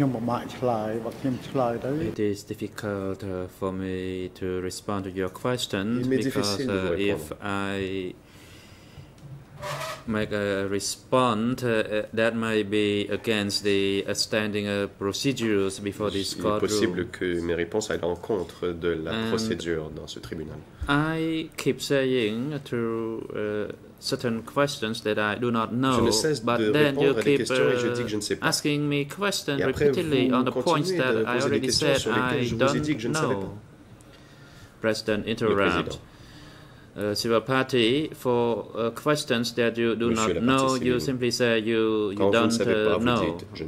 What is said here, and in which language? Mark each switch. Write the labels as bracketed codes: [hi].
[en] It is difficult for me to respond to your question because if I make a response, that might be against the standing procedures before this court. [fr] Il est possible que mes réponses aillent à l'encontre de la procédure dans ce tribunal. [en] I keep saying to certain questions that I do not know, but then you keep asking me questions repeatedly on the points that I already said I don't know. President interrupt. Civil party, for questions that you do not know, you simply say you don't know.